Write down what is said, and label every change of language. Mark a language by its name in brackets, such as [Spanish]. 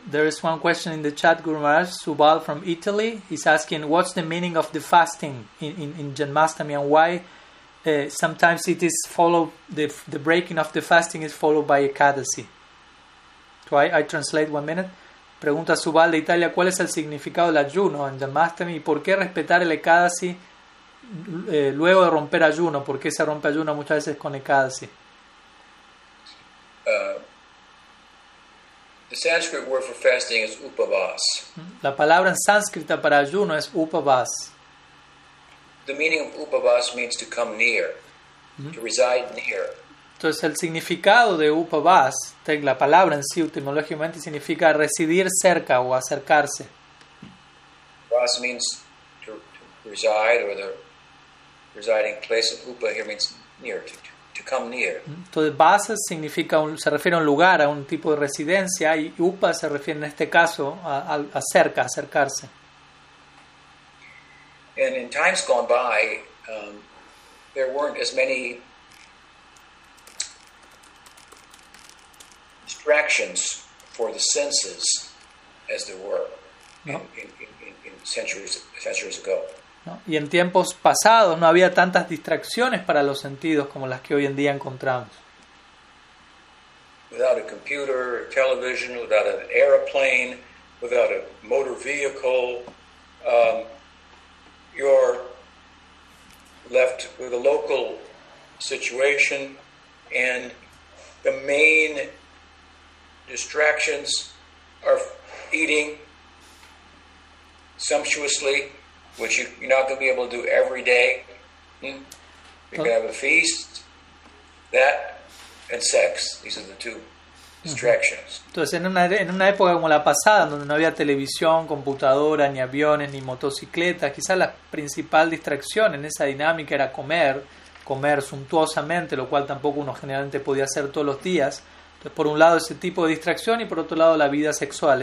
[English] There is one question in the chat, Guru Maharaj. Subal from Italy is asking, what's the meaning of the fasting in Janmastami and why sometimes it is followed, the breaking of the fasting is followed by Ekadasi. So I translate 1 minute. [Spanish] Pregunta Subal de Italia, ¿cuál es el significado del ayuno en Janmastami y por qué respetar el Ekadasi luego de romper ayuno? ¿Por qué se rompe ayuno muchas veces con Ekadasi? [English] The Sanskrit word for fasting is upavas. [Spanish] La palabra en sánscrita para ayuno es upavas. [English] The meaning of upavas means to come near, to reside near. [Spanish] Entonces el significado de upavas, la palabra en sí etimológicamente significa residir cerca o acercarse. [English] Upavas means to reside, or the residing place of upa here means near, to come near. [Spanish] Entonces vasa significa se refiere a un lugar, a un tipo de residencia, y upa se refiere en este caso a cerca, acercarse. [English] And in times gone by, there weren't as many distractions for the senses as there were in centuries ago. [Spanish] No. Y en tiempos pasados no había tantas distracciones para los sentidos como las que hoy en día encontramos. [English] Without a computer, a television, without an airplane, without a motor vehicle, you're left with a local situation, and the main distractions are eating sumptuously, which you're not going to be able to do every day. You can have a feast, that, and sex. These are the two distractions. [Spanish] Entonces, en una época como la pasada, donde no había televisión, computadora, ni aviones, ni motocicletas, quizás la principal distracción en esa dinámica era comer suntuosamente, lo cual tampoco uno generalmente podía hacer todos los días. Entonces, por un lado ese tipo de distracción y por otro lado la vida sexual.